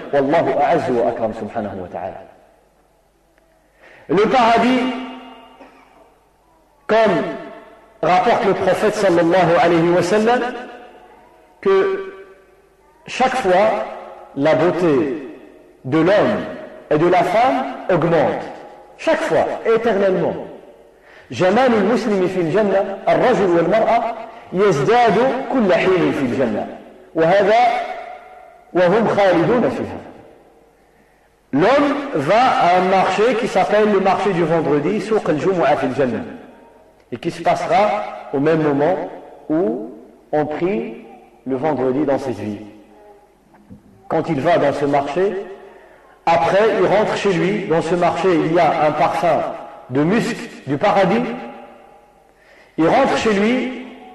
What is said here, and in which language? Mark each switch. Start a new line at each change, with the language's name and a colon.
Arabic: Wallahu A'azzu wa Akram,
French: subhanahu wa ta'ala. Le paradis, comme rapporte le prophète sallallahu alayhi wa sallam, que chaque fois, la beauté de l'homme et de la femme augmente. Chaque fois, éternellement.
Arabic: Jamal al-Muslimi fil Jannah, al-Rajul wal-Mar'a, يزداد كل حين في الجنة وهذا وهم خالدون فيها.
French: L'homme va à un marché qui s'appelle le marché du vendredi,
Arabic: souq al-jumu'a fil jannah,
French: et qui se passera au même moment où on prie le vendredi dans cette vie. Quand il va dans ce marché, après il rentre chez lui, dans ce marché il y a un parfum de musc du paradis, il rentre chez lui.